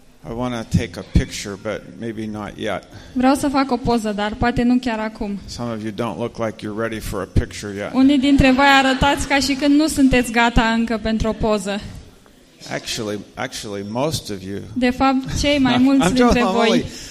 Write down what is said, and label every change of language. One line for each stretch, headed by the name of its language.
English: I want to take a picture, but maybe not yet.
Romanian: Vreau să fac o poză, dar poate nu chiar acum.
English: Some of you don't look like you're ready for a picture yet.
Romanian: Unii dintre voi arătați ca și când nu sunteți gata încă pentru o poză.
English: Actually most of you.
Romanian: De fapt, cei mai mulți dintre voi.